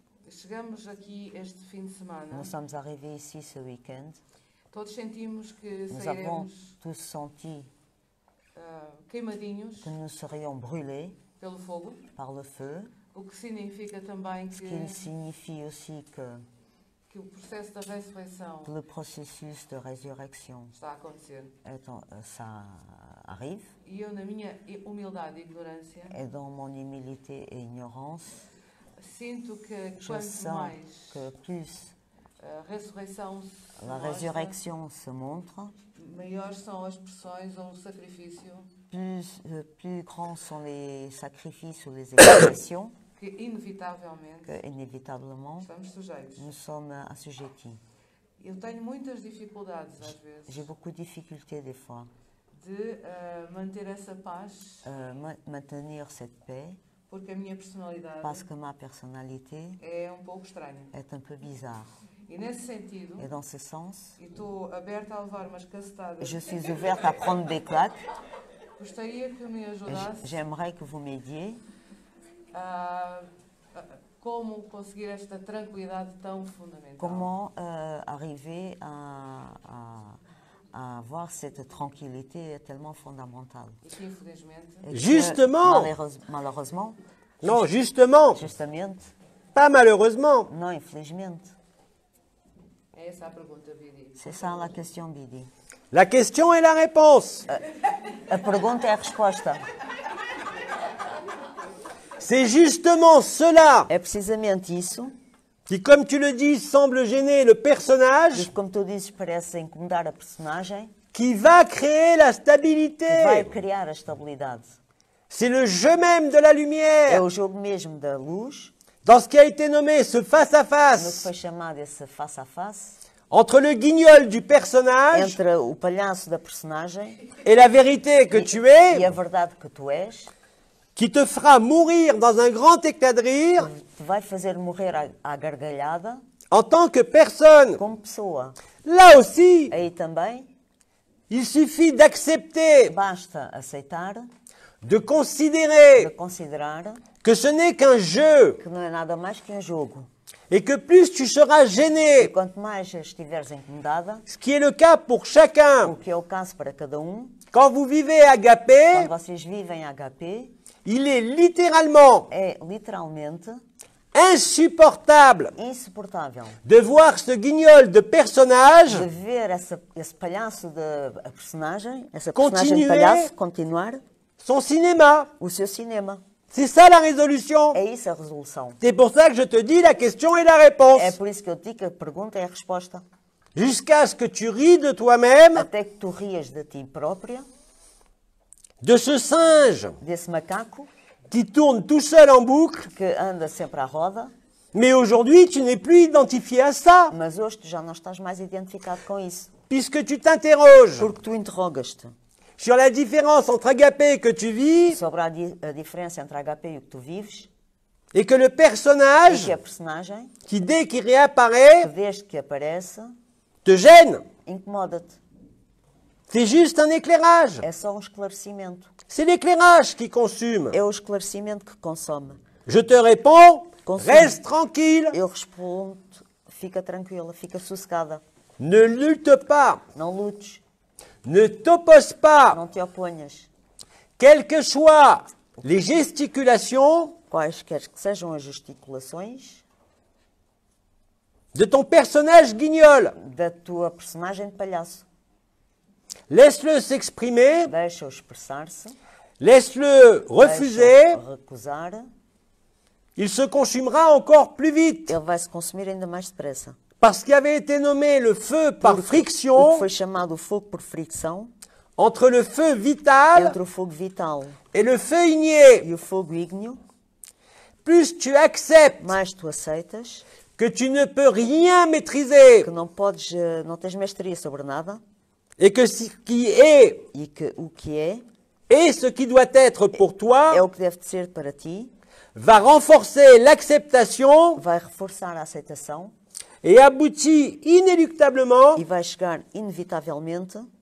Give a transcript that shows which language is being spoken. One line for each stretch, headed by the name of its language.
Portuguese: Chegamos aqui este fim de semana.
French: Nous sommes arrivés ici ce week-end.
Portuguese: Todos sentimos que
French: nous avons tous senti
Portuguese: queimadinhos,
French: que nous serions brûlés
Portuguese: pelo fogo,
French: par le feu.
Portuguese: O que significa também que,
French: ce qui signifie aussi
Portuguese: que o processo da ressurreição,
French: le processus de résurrection
Portuguese: está a acontecer. Então,
French: ça arrive.
Portuguese: E eu, na minha humildade e ignorância,
French: et dans mon humilité et ignorance,
Portuguese: sinto que
French: je
Portuguese: quanto
French: sens
Portuguese: mais
French: que plus
Portuguese: ressurreição
French: la résurrection se montre,
Portuguese: maiores são as pressões ou o sacrifício.
French: Plus grands sont les sacrifices ou les expressions que, inévitablement, nous sommes assujettis.
Portuguese: Eu tenho muitas dificuldades, às vezes,
French: j'ai beaucoup de difficultés des fois
Portuguese: de manter essa paz,
French: maintenir cette paix
Portuguese: porque a minha personalidade,
French: parce que ma personnalité
Portuguese: é um pouco estranha,
French: est un peu bizarre.
Portuguese: E nesse sentido,
French: et dans ce sens,
Portuguese: estou aberta a levar umas cacetadas.
French: Je suis ouverte à prendre des claques.
Portuguese: Gostaria que me ajudasse.
French: J'aimerais que vous m'aidiez.
Portuguese: Como conseguir esta tranquilidade tão fundamental?
French: Comment arriver à avoir cette tranquillité tellement fondamentale?
Portuguese: E que, infelizmente,
French: justement. Malheureusement. Non, justement. Justement. Pas malheureusement. Non,
Portuguese: infelizmente. É essa a pergunta, Bidi.
French: C'est ça la question, Bidi. La question et la réponse. La
Portuguese: pergunta
French: et la réponse. C'est justement cela.
Portuguese: É precisamente isso.
French: Qui, comme tu le dis, semble gêner le personnage.
Portuguese: Que, como tu dizes, parece incomodar a personagem.
French: Qui va créer la stabilité.
Portuguese: Vai criar a estabilidade.
French: C'est le jeu même de la lumière.
Portuguese: É o jogo mesmo da luz.
French: Dans ce qui a été nommé ce face à face.
Portuguese: No que foi chamado esse face à face.
French: Entre le guignol du personnage,
Portuguese: entre o palhaço da personagem,
French: et la vérité que tu es,
Portuguese: e a verdade que tu és,
French: qui te fera mourir dans un grand éclat de rire,
Portuguese: te vai fazer morrer à gargalhada,
French: en tant que personne,
Portuguese: como pessoa,
French: là aussi,
Portuguese: aí também,
French: il suffit d'accepter,
Portuguese: basta aceitar,
French: de considérer,
Portuguese: de considerar,
French: que ce n'est qu'un jeu,
Portuguese: que não é nada mais que um jogo.
French: Et que plus tu seras gêné,
Portuguese: quanto mais estiveres incomodada,
French: ce qui est le cas pour chacun,
Portuguese: o que é o caso para cada um,
French: quand vous vivez agapé,
Portuguese: quando vocês vivem agapé,
French: il est littéralement,
Portuguese: é literalmente,
French: insupportable,
Portuguese: insupportável,
French: de voir ce guignol de personnage,
Portuguese: de ver esse palhaço de personagem, essa
French: continuer,
Portuguese: personagem de palhaço, continuar,
French: son cinéma,
Portuguese: o seu cinema.
French: C'est ça la résolution.
Portuguese: É isso a resolução.
French: C'est pour ça que je te dis la question et la réponse.
Portuguese: É por isso que eu digo que a pergunta é a resposta.
French: Jusqu'à ce que tu ris de toi-même.
Portuguese: Até que tu rias de ti própria.
French: De ce singe.
Portuguese: Desse macaco.
French: Qui tourne tout seul en boucle.
Portuguese: Que anda sempre à roda.
French: Mais aujourd'hui, tu n'es plus identifié à ça.
Portuguese: Mas hoje tu já não estás mais identificado com isso.
French: Puisque tu t'interroges.
Portuguese: Porque tu interrogas-te.
French: Sur la différence entre agapé que tu vis,
Portuguese: sobre a diferença entre agapé e o que tu vives,
French: et que le personnage,
Portuguese: e que a personagem,
French: qui dès qu'il réapparaît,
Portuguese: que desde que aparece,
French: te gêne,
Portuguese: incomoda-te.
French: C'est juste un éclairage.
Portuguese: É só esclarecimento.
French: C'est l'éclairage qui consume.
Portuguese: É o esclarecimento que consome.
French: Je te réponds, consume. Reste tranquille.
Portuguese: Eu respondo, fica tranquila, fica sossegada.
French: Ne lutte pas.
Portuguese: Não lutes.
French: Ne t'oppose pas.
Portuguese: Não te oponhas.
French: Quelles que soient les gesticulations,
Portuguese: quaisquer que sejam as gesticulações,
French: de ton personnage guignol,
Portuguese: da tua personagem de palhaço.
French: Laisse-le s'exprimer.
Portuguese: Deixa-o expressar-se.
French: Laisse-le refuser.
Portuguese: Recusar.
French: Il se consumera encore plus vite.
Portuguese: Ele vai se consumir ainda mais depressa.
French: Parce qu'il avait été nommé le feu par friction.
Portuguese: Foi chamado fogo por fricção.
French: Entre le feu vital.
Portuguese: Entre o fogo vital.
French: Et le feu igné.
Portuguese: E o fogo ígneo.
French: Plus tu acceptes.
Portuguese: Mais tu aceitas.
French: Que tu ne peux rien maîtriser.
Portuguese: Que não podes, não tens mestria sobre nada.
French: Et que ce qui est.
Portuguese: E que o que é.
French: Et ce qui doit être pour toi.
Portuguese: É o que deve ser para ti.
French: Va renforcer l'acceptation.
Portuguese: Vai reforçar a aceitação.
French: Et aboutit inéluctablement.
Portuguese: E vai chegar inevitavelmente.